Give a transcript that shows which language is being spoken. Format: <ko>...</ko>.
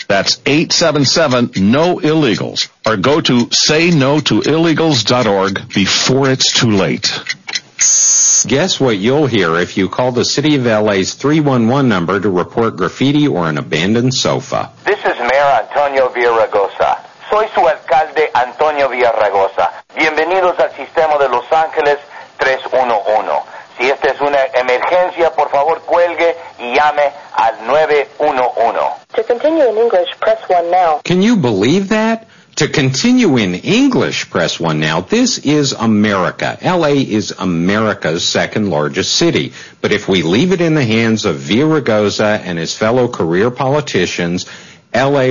<en>That's 877-NO-ILLEGALS. Or go to saynotoillegals.org before it's too late. Guess what you'll hear if you call the City of LA's 311 number to report graffiti or an abandoned sofa. This is Mayor Antonio Villaraigosa.</en> <es>Soy su alcalde Antonio Villaraigosa. Bienvenidos al sistema de Los Ángeles 311. Si esta es una emergencia, por favor cuelgue y llame al 911.</es> <en>To continue in English, press 1 now. Can you believe that? To continue in English, press 1 now. This is America. L.A. is America's second largest city. But if we leave it in the hands of Villaraigosa and his fellow career politicians, L.A.</en>